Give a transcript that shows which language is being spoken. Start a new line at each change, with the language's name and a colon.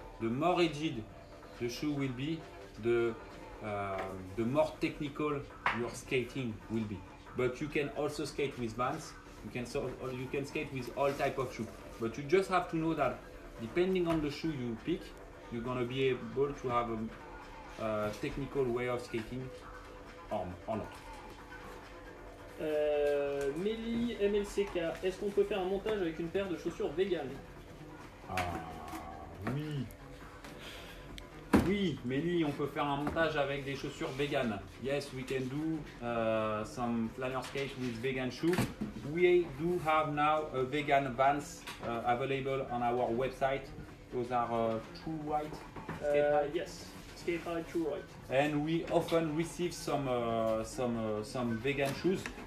English: The more rigid the shoe will be, the more technical your skating will be. But you can also skate with Vans. You can skate with all type of shoes. But you just have to know that depending on the shoe you pick, you're gonna be able to have a technical way of skating or not.
French: Melly MLCK, est-ce qu'on peut faire un montage avec une paire de chaussures vegan? Ah oui. Oui, Melly, on peut faire un montage avec des chaussures vegan.
English: Yes, we can do some flanner skates with vegan shoes. We do have now a vegan Vans available on our website. Those are true white skate Ride. Yes, skate ride true white. And we often receive some vegan shoes.